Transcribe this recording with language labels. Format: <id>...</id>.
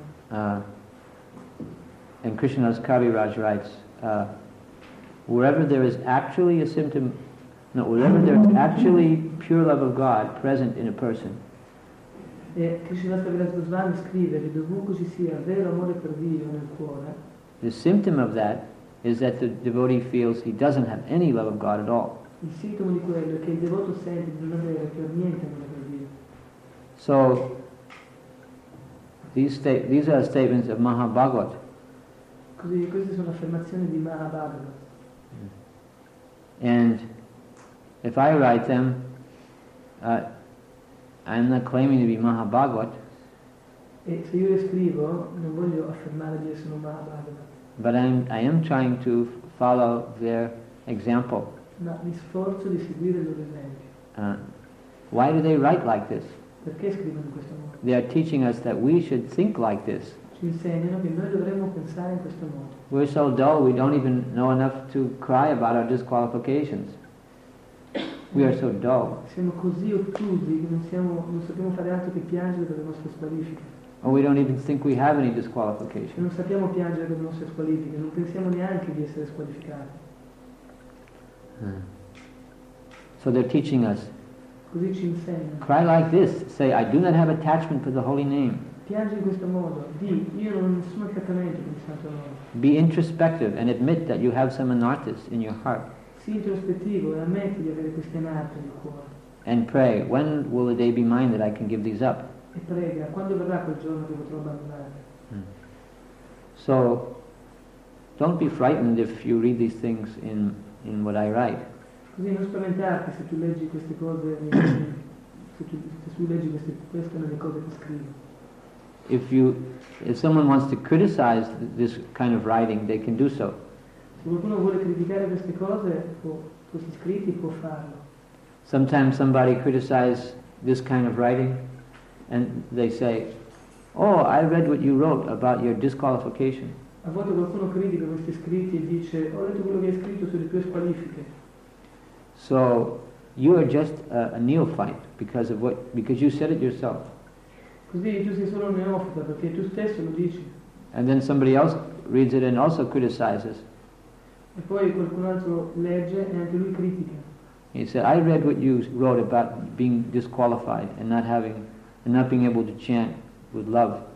<en>And Krishnadas Kaviraj writes, wherever there is actually pure love of God present in a person,</en> <it>e Krishna Saviraj Goswami scrive che dovunque ci sia vero amore per Dio nel cuore,</it> <en>the symptom of that is that the devotee feels he doesn't have any love of God at all.</en> <it>Il sintomo di quello è che il devoto sente di non avere più niente amore per Dio.</it> <en>So these are statements of Mahabhagavat.</en> <it>Così queste sono affermazioni di Mahabhagavat.</it> <en>And if I write them, I'm not claiming to be Mahabhagavat.</en> <it>E se io scrivo, non voglio affermare di essere un Mahabhagavat.</it> <en>But I am trying to follow their example.</en> <it>Ma mi sforzo di seguire il loro esempio.</it> <en>Why do they write like this?</en> <it>Perché scrivono in questo modo?</it> <en>They are teaching us that we should think like this.</en> <it>Ci insegnano che noi dovremmo pensare in questo modo.</it> <en>We're so dull, we don't even know enough to cry about our disqualifications. We are so dull.</en> <it>Siamo così ottusi che non sappiamo fare altro che piangere per le nostre squalifiche.</it> <en>Or we don't even think we have any disqualification.</en> <it>Non sappiamo piangere per le nostre squalifiche, non pensiamo neanche di essere squalificati.</it> <en>So they're teaching us.</en> <it>Così ci insegnano.</it> <en>Cry like this, say, I do not have attachment for the holy name.</en> <it>Piange in questo modo, di, io non ho nessun attaccamento per il santo nome.</it> <en>Be introspective and admit that you have some anarthas in your heart.</en> <it>Sii introspettivo e ammetti di avere queste anarthas nel cuore.</it> <en>And pray, when will the day be mine that I can give these up?</en> <it>E prega, quando verrà quel giorno che potrò abbandonare?</it> <en>So, don't be frightened if you read these things in what I write.</en> <it>Così non spaventarti se tu leggi queste cose, se tu leggi queste nelle cose che scrivo.</it> <en>If someone wants to criticize this kind of writing, they can do so.</en> <it>Se qualcuno vuole criticare queste cose o questi scritti può farlo.</it> <en>Sometimes somebody criticizes this kind of writing, and they say, "Oh, I read what you wrote about your disqualification."</en> <it>A volte qualcuno critica questi scritti e dice, "Ho letto quello che hai scritto sulle tue squalifiche."</it> <en>So you are just a neophyte because you said it yourself.</en> <it>Così tu sei solo un neofita perché tu stesso lo dici.</it> <en>And then somebody else reads it and also criticizes.</en> <it>E poi qualcun altro legge e anche lui critica.</it> <en>He said, I read what you wrote about being disqualified and not being able to chant with love.</en>